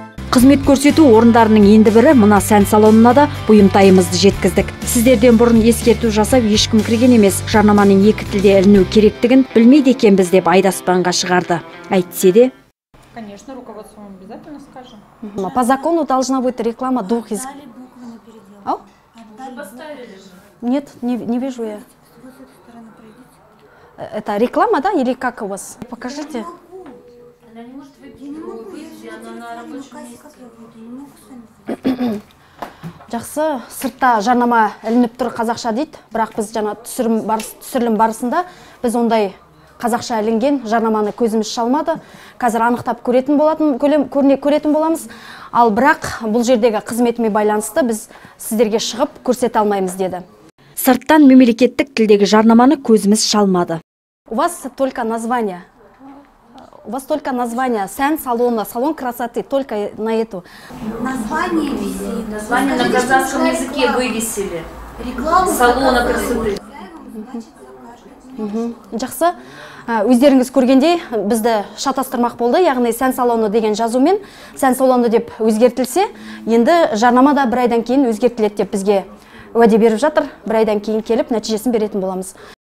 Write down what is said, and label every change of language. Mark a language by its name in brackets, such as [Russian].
[Kazakh] Қызмет көрсету орындарының енді бірі мына сән салонына да бұйымтайымызды жеткіздік. Сіздерден бұрын ескерту жасап ешкім кірген емес, жарнаманың екі тілде ілінуі керектігін білмейді екен біз деп айдаспанға шығарды. Әйтсе де, [Russian] конечно, руководство обязательно скажем. Но по закону должна быть реклама двух языков. Дали буквы на переделку. Поставили же. Нет, не вижу я. Это реклама, да, или как у вас? Покажите. [Kazakh] Жақсы, сыртта жарнама ілініп тұр қазақша дейді, бірақ біз жаңа түсірілім барысында біз ондай қазақша әлінген жарнаманы көзіміз шалмады. Қазір анықтап көретін болатын, көретін боламыз. Ал бірақ бұл жердегі қызметіме байланысты біз сіздерге шығып көрсете алмаймыз деді. Сырттан мемлекеттік тілдегі жарнаманы көзіміз шалмады. [Russian] У вас только название. У вас только название сен салона, салон красоты, только на эту. Название везде. Название на казахском языке вывесили. Реклама салона красоты. [Kazakh] Жақсы, өздеріңіз көргендей, бізді шатастырмақ болды, яғни сән салоны деген жазумен, сән салоны деп өзгертілсе, енді жарнама да бір айдан кейін өзгертіледі деп бізге уәде беріп жатыр, бір айдан кейін келіп, нәтижесін беретін боламыз.